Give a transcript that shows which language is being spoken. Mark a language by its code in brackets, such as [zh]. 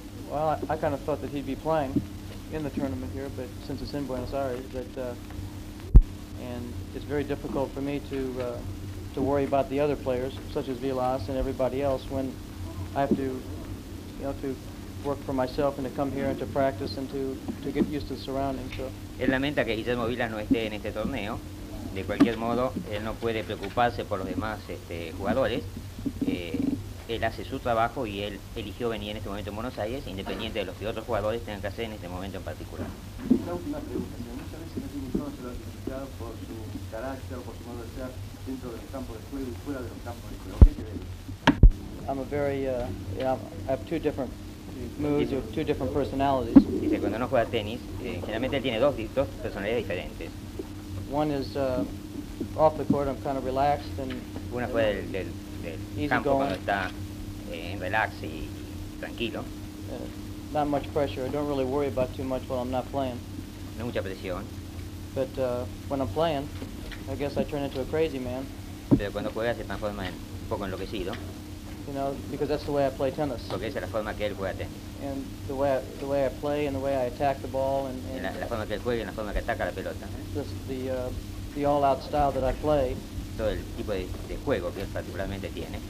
[en] Well, I kind of thought that he'd be playing in the tournament here, but since it's in Buenos Aires, and it's very difficult for me to worry about the other players, such as Vilas and everybody else, when I have to. You know, to work for myself and to come here and to practice and to get used to the surroundings. So. [es] Él lamenta que Guillermo Vilas no esté en este torneo. De cualquier modo, él no puede preocuparse por los demás jugadores. Él hace su trabajo y él eligió venir en este momento a Buenos Aires, independiente de lo que otros jugadores tengan que hacer en este momento en particular. Una última pregunta. Muchas veces el tenista se lo ha criticado por su carácter, por su modo de ser dentro del campo de juego y fuera de los campos de juego. ¿Qué te ves? [en] I'm a very, I have two different moods or two different personalities. [es] Dice, cuando uno juega tenis, generalmente él tiene dos personalidades diferentes. [en] One is off the court, I'm kind of relaxed and [es] una fue del campo cuando está en relax y tranquilo. [en] Not much pressure, I don't really worry about too much while I'm not playing. [es] No mucha presión. [en] But when I'm playing, I guess I turn into a crazy man. [es] Pero cuando juega se transforma en un poco enloquecido. [en] You know, because that's the way I play tennis. [es] Porque esa es la forma que él juega tenis. [en] And the way I play and the way I attack the ball and [es] la forma que él juega y la forma que ataca la pelota. [en] Just the all-out style that I play. [es] Todo el tipo de juego que él particularmente tiene.